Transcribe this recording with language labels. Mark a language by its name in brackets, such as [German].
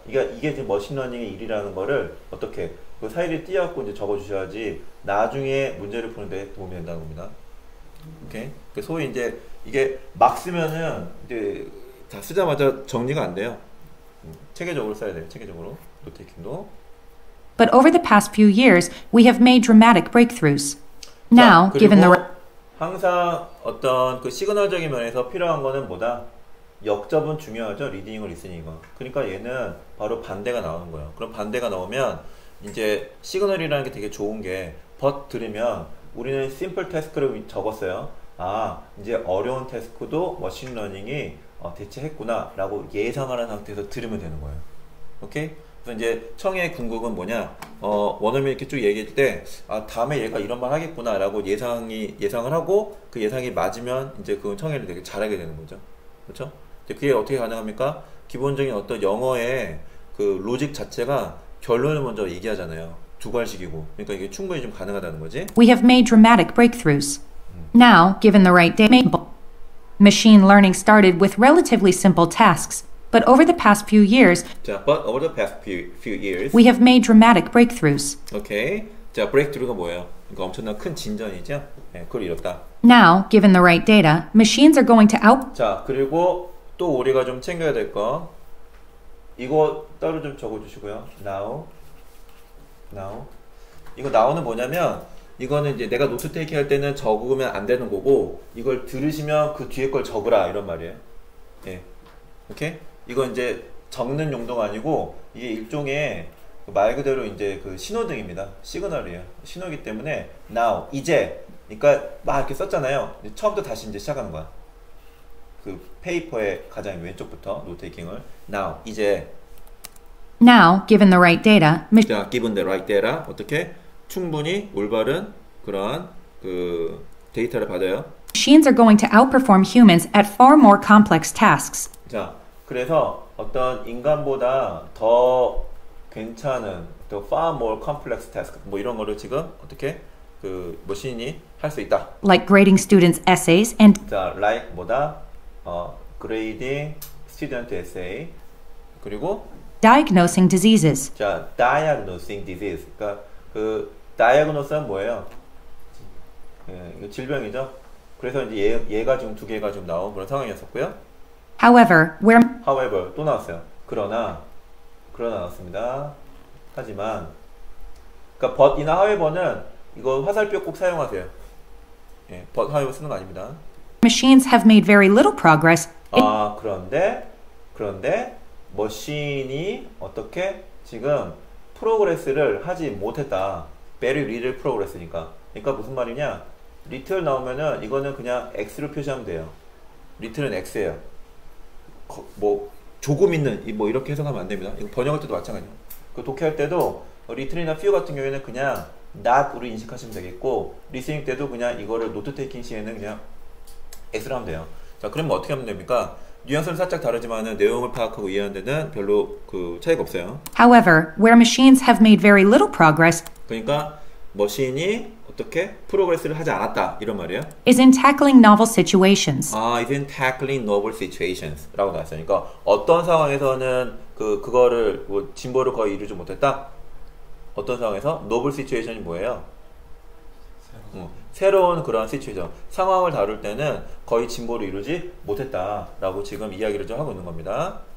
[Korean] 이게 지금 머신러닝의 일이라는 거를 어떻게 그 사이를 띄어갖고 이제 적어주셔야지 나중에 문제를 푸는데 도움이 된다는 겁니다. 오케이. 소위 이제 이게 막 쓰면은 이제 다 쓰자마자 정리가 안 돼요. 체계적으로 써야 돼요. 체계적으로 노트테이킹도. [English] But over the past few years, we have made dramatic breakthroughs. Now, [Korean] 자, [English] given the [Korean] 항상 어떤 그 시그널적인 면에서 필요한 거는 뭐다? 역접은 중요하죠. 리딩을 리스닝이고. 그러니까 얘는 바로 반대가 나오는 거예요. 그럼 반대가 나오면 이제 시그널이라는 게 되게 좋은 게 but 들으면 우리는 심플 태스크를 적었어요. 아, 이제 어려운 태스크도 머신 러닝이 대체했구나라고 예상하는 상태에서 들으면 되는 거예요. 오케이? 이제 청의 궁극은 뭐냐? 원어민이 이렇게 쭉 얘기할 때 아, 다음에 얘가 이런 말 하겠구나라고 예상을 하고 그 예상이 맞으면 이제 그 청해를 되게 잘하게 되는 거죠. 그렇죠? 근데 그게 어떻게 가능합니까? 기본적인 어떤 영어의 그 로직 자체가 결론을 먼저 얘기하잖아요. 두괄식이고. 그러니까 이게 충분히 좀 가능하다는 거지. [English] We have made dramatic breakthroughs. Now, given the right data, machine learning started with relatively simple tasks. But over the past few years, 자, but over the past few years, we have made dramatic breakthroughs. Okay. [Korean] 자, breakthrough가 뭐예요? 이거 엄청난 큰 진전이죠? 네, 그걸 이뤘다. [English] Now, given the right data, machines are going to out. [Korean] 자, 그리고 또 우리가 좀 챙겨야 될 거. 이거 따로 좀 적어주시고요. [English] Now. [Korean] 이거 now는 뭐냐면, 이거는 이제 내가 노트 테이킹 할 때는 적으면 안 되는 거고, 이걸 들으시면 그 뒤에 걸 적으라. 이런 말이에요. 예. 네. 오케이? 이건 이제 적는 용도가 아니고, 이게 일종의 말 그대로 이제 그 신호등입니다. 시그널이에요. 신호기 때문에, now, 이제. 그러니까 막 이렇게 썼잖아요. 이제 처음부터 다시 이제 시작하는 거야. 그 페이퍼의 가장 왼쪽부터 노테이킹을 now 이제 [English] now given the right data [Korean] 자 given the right data 어떻게 충분히 올바른 그런 그 데이터를 받아요. [English] Machines are going to outperform humans at far more complex tasks. [Korean] 자 그래서 어떤 인간보다 더 괜찮은 더 far more complex tasks 뭐 이런 거를 지금 어떻게 그 머신이 할 수 있다. [English] Like grading students' essays and 자 like 뭐다 grading student essay 그리고 diagnosing diseases [Korean] 자 diagnosing disease 그러니까 그 diagnose는 뭐예요? 예, 질병이죠. 그래서 이제 얘가 지금 두 개가 좀 나온 그런 상황이었었고요. [English] However [Korean] 또 나왔어요. 그러나 나왔습니다. 하지만 그러니까 but 이나 however는 이거 화살표 꼭 사용하세요. 예, but however 쓰는 거 아닙니다. [English] Machines have made very little progress. [Korean] 아, 그런데 머신이 어떻게 지금 프로그레스를 하지 못했다. Very little progress 니까. 그러니까 무슨 말이냐? little 나오면은 이거는 그냥 x로 표시하면 돼요. little은 x예요. 뭐 조금 있는 뭐 이렇게 해석하면 안 됩니다. 이거 번역할 때도 마찬가지예요. 그 독해할 때도 little이나 few 같은 경우에는 그냥 not으로 인식하시면 되겠고 listening 때도 그냥 이거를 노트 테이킹 시에는 그냥 X를 하면 돼요. 자, 그럼 어떻게 하면 됩니까? 뉘앙스는 살짝 다르지만은 내용을 파악하고 이해하는 데는 별로 그 차이가 없어요. [English] However, where machines have made very little progress. [Korean] 그러니까 머신이 어떻게 프로그레스를 하지 않았다 이런 말이에요. [English] Is in tackling novel situations. [Korean] 아, is in tackling novel situations 라고 나왔으니까 어떤 상황에서는 그거를 뭐 진보를 거의 이루지 못했다. 어떤 상황에서 novel situation이 뭐예요? 새로운 그런 시츄에이션 상황을 다룰 때는 거의 진보를 이루지 못했다 라고 지금 이야기를 좀 하고 있는 겁니다.